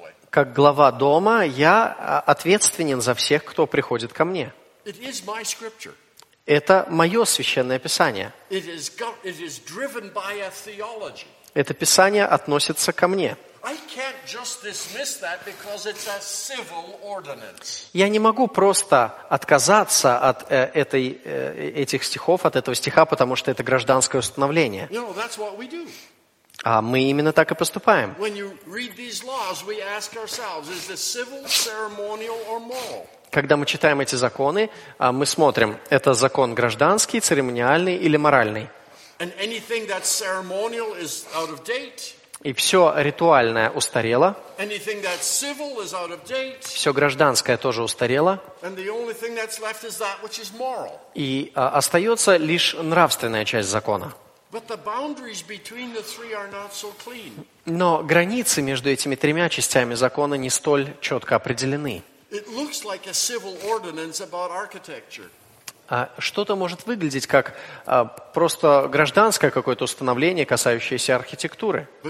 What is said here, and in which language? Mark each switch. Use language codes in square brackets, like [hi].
[ru] Как глава дома, я ответственен за всех, кто приходит ко мне. [en] It is my scripture. [ru] Это мое священное писание. [en] It is driven by a theology. [ru] Это писание относится ко мне. [en] I can't just dismiss that because it's a civil ordinance. [ru] Я не могу просто отказаться от этих стихов, от этого стиха, потому что это гражданское установление. [en] You know, that's what we do. [ru] А мы именно так и поступаем. [en] When you read these laws, we ask ourselves, is this civil, ceremonial, or moral? [ru] когда мы читаем эти законы, мы смотрим, это закон гражданский, церемониальный или моральный. [en] And anything that's ceremonial is out of date. [ru] И все ритуальное устарело. [en] Anything that's civil is out of date. [ru] Все гражданское тоже устарело. [en] And the only thing that's left is that which is moral. [ru] И остается лишь нравственная часть закона. [en] But the boundaries between the three are not so clean. [ru] Но границы между этими тремя частями закона не столь четко определены. [en] It looks like a civil ordinance about architecture. [ru] Что-то может выглядеть как просто гражданское какое-то установление, касающееся архитектуры.